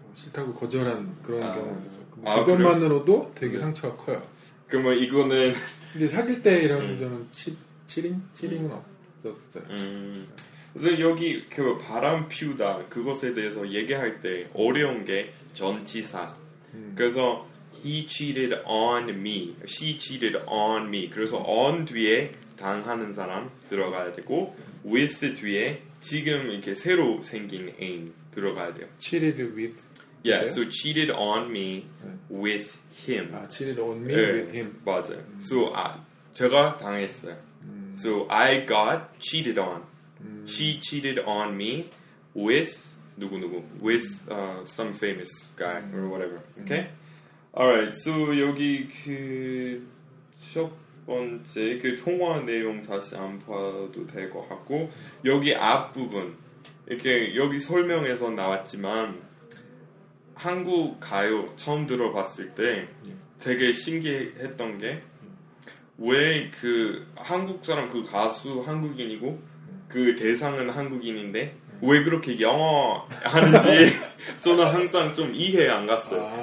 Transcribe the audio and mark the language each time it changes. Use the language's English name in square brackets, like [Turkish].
[Korean] 싫다고 거절한 그런 아, 경우였죠. 그것만으로도 그래요? 되게 네. 상처가 커요. 그러면 이거는 근데 사귈 때 이런 저는 칠링은 없었어요. 그래서 여기 그 바람 피우다 그것에 대해서 얘기할 때 어려운 게 전치사. 그래서 [English] he cheated on me, she cheated on me. [Korean] 그래서 on 뒤에 당하는 사람 들어가야 되고 with 뒤에 지금 이렇게 새로 생긴 애인 들어가야 돼요. [English] Cheated with. Yeah, [Korean] 이제? [English] so cheated on me 네. with him. 아, cheated on me 네. with him. [Korean] 맞아요. [English] So 아, [Korean] 제가 당했어요. [English] So I got cheated on. She cheated on me with [Korean] 누구누구. [English] With some famous guy or whatever. Okay? Alright, so [Korean] 여기 그 첫 번째 그 통화 내용 다시 안 봐도 될 것 같고 여기 앞부분 이렇게 여기 설명에서 나왔지만 한국 가요 처음 들어봤을 때 되게 신기했던 게 왜 그 한국 사람 그 가수 한국인이고 그 대상은 한국인인데 왜 그렇게 영어 하는지 저는 항상 좀 이해 안 갔어요. 아.